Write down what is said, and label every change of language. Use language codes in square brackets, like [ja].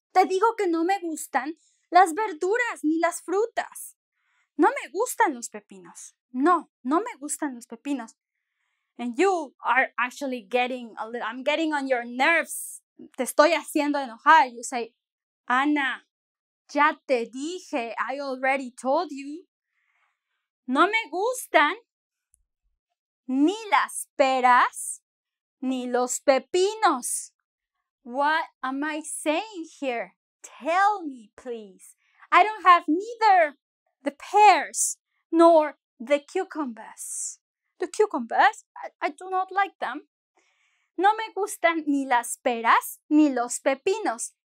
[es] Te digo que no me gustan las verduras ni las frutas. No me gustan los pepinos. No, no me gustan los pepinos. [en] And you are actually getting a little, I'm getting on your nerves. [es] Te estoy haciendo enojar. [en] You say, [es] Ana, ya te dije, [en] I already told you. [es] No me gustan ni las peras ni los pepinos. [en] What am I saying here? Tell me, please. I don't have neither the pears nor the cucumbers. The cucumbers, I do not like them. [es] No me gustan ni las peras ni los pepinos.